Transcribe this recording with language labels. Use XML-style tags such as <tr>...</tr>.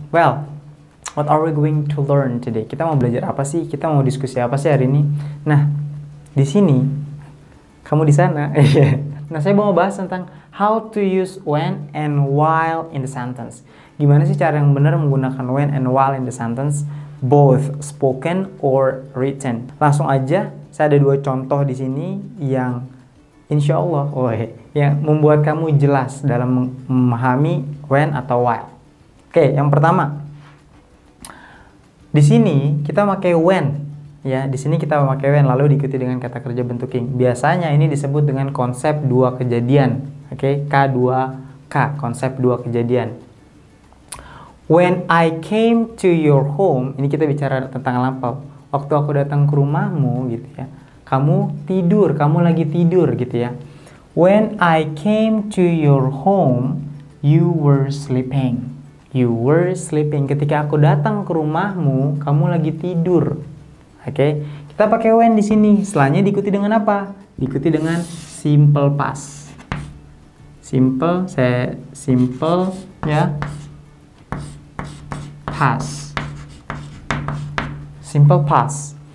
<en>Well, what are we going to learn today?</en> <id>Kita mau belajar apa sih? Kita mau diskusi apa sih hari ini? Nah, di sini, kamu di sana. Nah, saya mau bahas tentang</id> <en>how to use when and while in the sentence.</en> <id>Gimana sih cara yang benar menggunakan</id> <en>when and while in the sentence, both spoken or written.</en> <id>Langsung aja, saya ada dua contoh di sini yang insyaallah ya, membuat kamu jelas dalam memahami when atau while. Oke, yang pertama. Di sini kita pakai when ya. Di sini kita pakai when lalu diikuti dengan kata kerja bentuking. Biasanya ini disebut dengan konsep dua kejadian. Oke, K2K, konsep dua kejadian.</id> <en>When I came to your home,</en> <id>ini kita bicara tentang lampau. Waktu aku datang ke rumahmu gitu ya. Kamu lagi tidur gitu ya.</id> <en>When I came to your home, you were sleeping.</en> <id>Ketika aku datang ke rumahmu, kamu lagi tidur. Oke. Kita pakai when di sini. Setelahnya diikuti dengan apa? Diikuti dengan simple past. Simple past.</id>